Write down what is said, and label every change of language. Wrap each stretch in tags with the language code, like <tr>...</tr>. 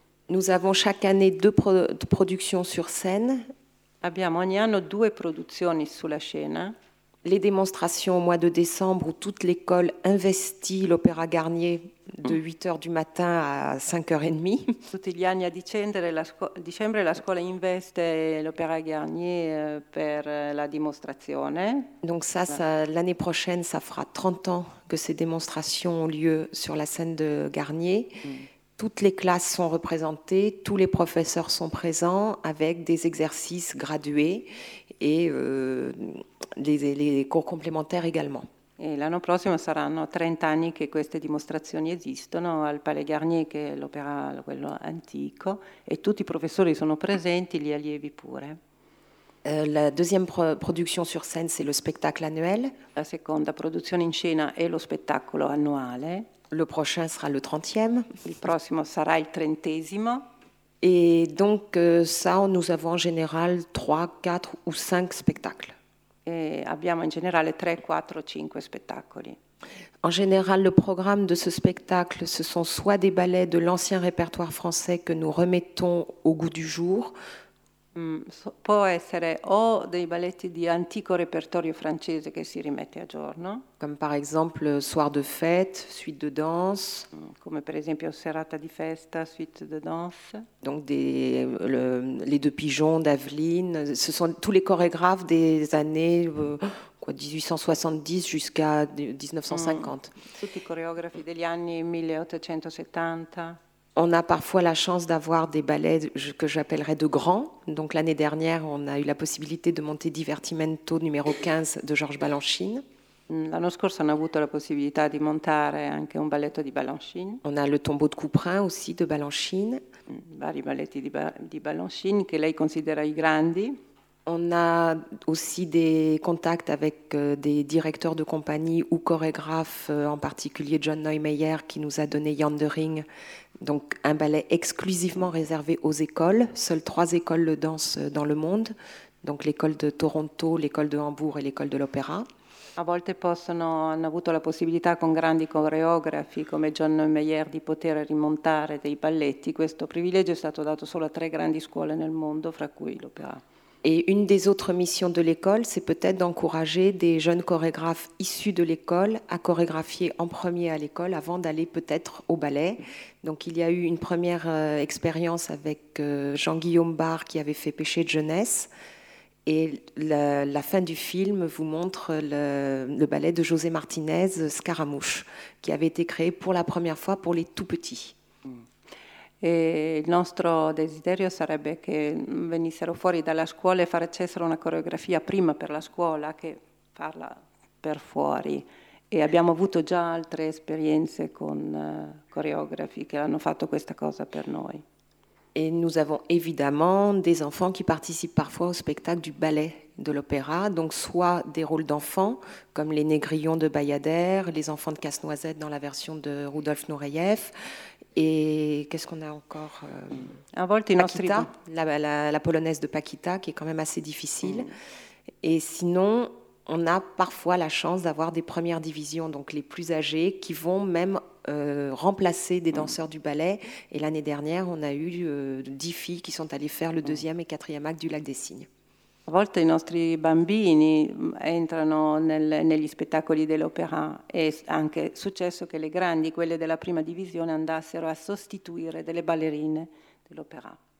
<fr>Nous avons chaque année deux productions sur scène.</fr> <it>Abbiamo ogni anno due produzioni sulla scena.</it> <fr>Les démonstrations au mois de décembre où toute l'école investit l'Opéra Garnier de 8h du matin à 5h30.</fr> <it>Tutti gli anni a dicembre la scuola investe l'Opéra Garnier per la dimostrazione.</it> <fr>Donc ça, l'année prochaine, ça fera 30 ans que ces démonstrations ont lieu sur la scène de Garnier. Toutes les classes sont représentées, tous les professeurs sont présents avec des exercices gradués et les cours complémentaires également.</fr> <it>Et l'anno prossimo saranno 30 anni che queste dimostrazioni esistono al Palais Garnier, che è l'opera quello antico, e tutti i professori sono presenti, gli allievi pure.</it> <fr>La deuxième production sur scène, c'est le spectacle annuel.</fr> <it>La seconda produzione in scena è lo spettacolo annuale.</it> <fr>Le prochain sera le 30e.</fr> <it>Il prossimo sarà il 30e.</it> <fr>Et donc ça, nous avons en général 3, 4 ou 5 spectacles.</fr> <it>Et abbiamo in generale 3, 4, 5 spettacoli.</it> <fr>En général, le programme de ce spectacle, ce sont soit des ballets de l'ancien répertoire français que nous remettons au goût du jour.</fr> <it>Può essere o dei balletti di antico repertorio francese che si rimette a giorno, come per esempio Soir de fête, Suite de danse, come per esempio Serata di festa, Suite de danse.</it> <fr>Donc les deux pigeons d'Aveline, ce sont tous les chorégraphes des années 1870 jusqu'à 1950.</fr> <it>Tutti i coreografi degli anni 1870.</it> <fr>On a parfois la chance d'avoir des ballets que j'appellerais de grands. Donc l'année dernière, on a eu la possibilité de monter Divertimento numéro 15 de Georges Balanchine.</fr> <it>L'anno scorso</it> <fr>on a</fr> <it>avuto la possibilità di montare anche un balletto di Balanchine.</it> <fr>On a le tombeau de Couperin aussi de Balanchine.</fr> <it>Vari balletti di Balanchine che lei considera i grandi.</it> <fr>On a aussi des contacts avec des directeurs de compagnie ou chorégraphes, en particulier John Neumeyer, qui nous a donné Yandering, donc un ballet exclusivement réservé aux écoles. Seules 3 écoles le dansent dans le monde, donc l'école de Toronto, l'école de Hambourg et l'école de l'Opéra.</fr> <it>A volte hanno avuto la possibilità con grandi coreografi come John Neumeyer di poter rimontare dei balletti. Questo privilegio è stato dato solo a 3 grandi scuole nel mondo, fra cui l'Opéra.</it> <fr>Et une des autres missions de l'école, c'est peut-être d'encourager des jeunes chorégraphes issus de l'école à chorégraphier en premier à l'école avant d'aller peut-être au ballet. Donc il y a eu une première expérience avec Jean-Guillaume Barre qui avait fait Péché de jeunesse. Et la fin du film vous montre le ballet de José Martinez, Scaramouche, qui avait été créé pour la première fois pour les tout-petits.</fr> <it>E il nostro desiderio sarebbe che venissero fuori dalla scuola e facessero una coreografia prima per la scuola che farla per fuori. E abbiamo avuto già altre esperienze con coreografi che hanno fatto questa cosa per noi.</it> <fr>E nous avons évidemment des enfants qui participent parfois au spectacle du ballet de l'opéra, donc soit des rôles d'enfants comme les négrillons de Bayadère, les enfants de Casse-Noisette dans la version de Rudolf Nureyev. Et qu'est-ce qu'on a encore?</fr> <it>À volte, Paquita, nostri...</it> <fr>la polonaise de Paquita, qui est quand même assez difficile. Et sinon, on a parfois la chance d'avoir des premières divisions, donc les plus âgés, qui vont même remplacer des danseurs du ballet. Et l'année dernière, on a eu 10 filles qui sont allées faire le deuxième et quatrième acte du Lac des Cygnes.</fr> <it>A volte i nostri bambini entrano negli spettacoli dell'opera e è anche successo che le grandi, quelle della prima divisione, andassero a sostituire delle ballerine dell'opera.</it>